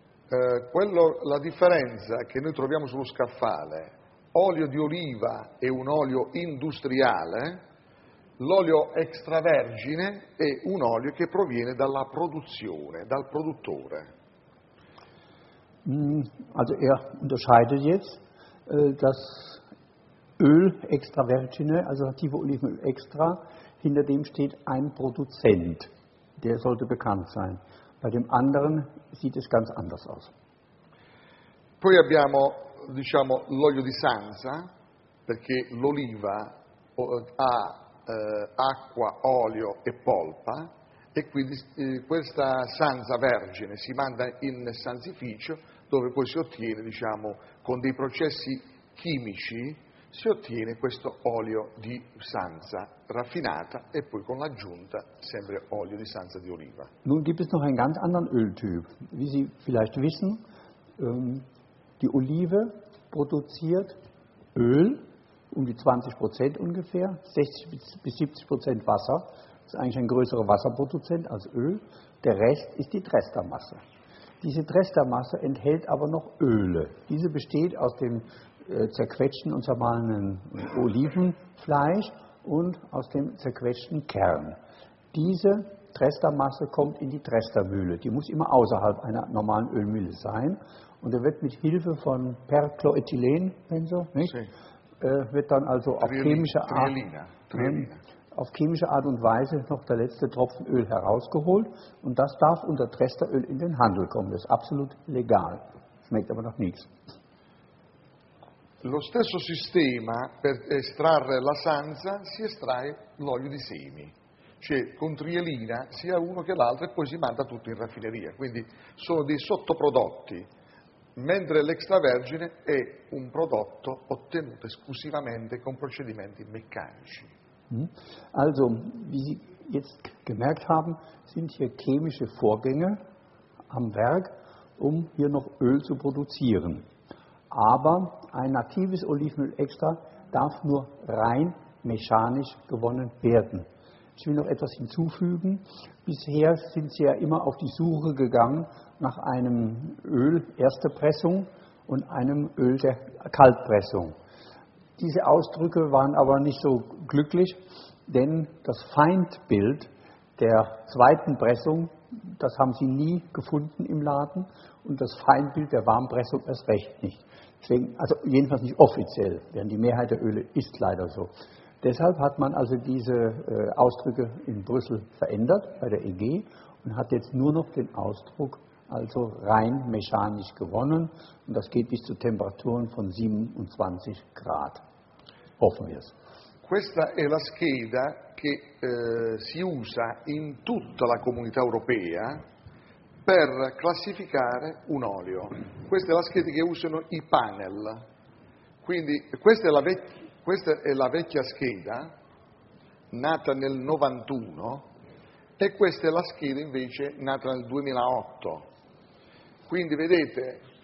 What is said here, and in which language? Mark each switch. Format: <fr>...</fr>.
<it>La differenza che noi troviamo sullo scaffale, olio di oliva è un olio industriale, l'olio extravergine è un olio che proviene dalla produzione, dal produttore.</it> <de>Also unterscheidet jetzt das Öl extravergine, also native Olivenöl extra, hinter dem steht ein Produzent, der sollte bekannt sein. Bei dem anderen sieht es ganz anders aus.</de> <it>Poi abbiamo, diciamo, l'olio di Sansa, perché l'oliva ha acqua, olio e polpa, e quindi questa Sansa vergine si manda in sanzificio, dove poi si ottiene, diciamo, con dei processi chimici, si ottiene questo olio di Sansa raffinata e poi con l'aggiunta sempre olio di Sansa di oliva.</it> <de>Nun gibt es noch einen ganz anderen Öltyp. Wie Sie vielleicht wissen, die Olive produziert Öl, um die 20% ungefähr, 60-70% Wasser, ist eigentlich ein größerer Wasserproduzent als Öl. Der Rest ist die Trestermasse. Diese Trestermasse enthält aber noch Öle. Diese besteht aus dem zerquetschten und zermahlenen Olivenfleisch und aus dem zerquetschten Kern. Diese Trestermasse kommt in die Trestermühle. Die muss immer außerhalb einer normalen Ölmühle sein. Und er wird mit Hilfe von Perchloethylen, wenn so, nicht? Wird dann also auf chemische Art und Weise noch der letzte Tropfen Öl herausgeholt. Und das darf unter Tresteröl in den Handel kommen. Das ist absolut legal. Schmeckt aber noch nichts.</de> <it>Lo stesso sistema per estrarre la sansa si estrae l'olio di semi, cioè con trielina sia uno che l'altro e poi si manda tutto in raffineria, quindi sono dei sottoprodotti, mentre l'extravergine è un prodotto ottenuto esclusivamente con procedimenti meccanici.</it> <de>Also, wie Sie jetzt gemerkt haben, sind hier chemische Vorgänge am Werk, um hier noch Öl zu produzieren. Aber ein natives Olivenöl extra darf nur rein mechanisch gewonnen werden. Ich will noch etwas hinzufügen. Bisher sind Sie ja immer auf die Suche gegangen nach einem Öl erster Pressung und einem Öl der Kaltpressung. Diese Ausdrücke waren aber nicht so glücklich, denn das Feindbild der zweiten Pressung, das haben Sie nie gefunden im Laden, und das Feindbild der Warmpressung erst recht nicht. Deswegen, also jedenfalls nicht offiziell, denn die Mehrheit der Öle ist leider so. Deshalb hat man also diese Ausdrücke in Brüssel verändert bei der EG und hat jetzt nur noch den Ausdruck also rein mechanisch gewonnen und das geht bis zu Temperaturen von 27 Grad. Hoffen wir es.</de> <it>Questa è la scheda che si usa in tutta la comunità europea per classificare un olio. Questa è la scheda che usano i panel. Quindi questa è la vecchia scheda, nata nel 91, e questa è la scheda invece nata nel 2008. Quindi vedete,</it>